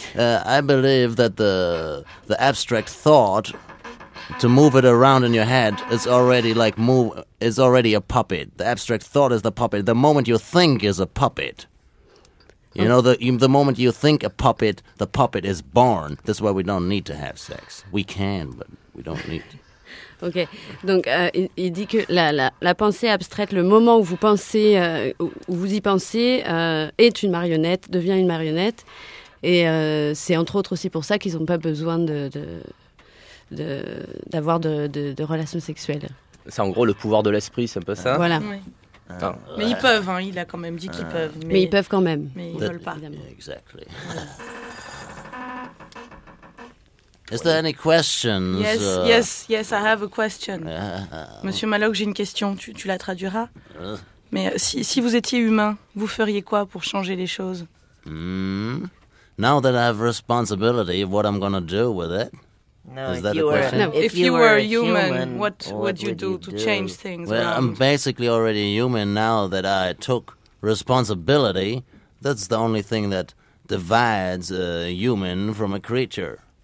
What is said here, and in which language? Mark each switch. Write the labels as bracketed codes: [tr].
[en] I believe that the abstract thought to move it around in your head is already like is already a puppet. The abstract thought is the puppet. The moment you think is a puppet. You know, the moment you think a puppet, the puppet is born. That's why we don't need to have sex. We can, but we don't need to. Okay. [fr] Donc, il dit que la pensée abstraite, le moment où vous pensez, où vous y pensez, est une marionnette, devient une marionnette. Et c'est entre autres aussi pour ça qu'ils n'ont pas besoin d'avoir de relations sexuelles. C'est en gros le pouvoir de l'esprit, c'est un peu ça? Voilà. Oui. Mais ils peuvent, hein, il a quand même dit qu'ils peuvent. Mais ils peuvent quand même. Mais ils ne veulent pas. Yeah, [en] exactly. Is there any questions? Yes, I have a question. [fr] Monsieur Maloc, j'ai une question, tu la traduiras. Mais si vous étiez humain, vous feriez quoi pour changer les choses? [en] Now that I have responsibility, what I'm going to do with it? No, is that a question? If you were a human, what would you do to change things? Well, I'm basically already a human now that I took responsibility. That's the only thing that divides a human from a creature.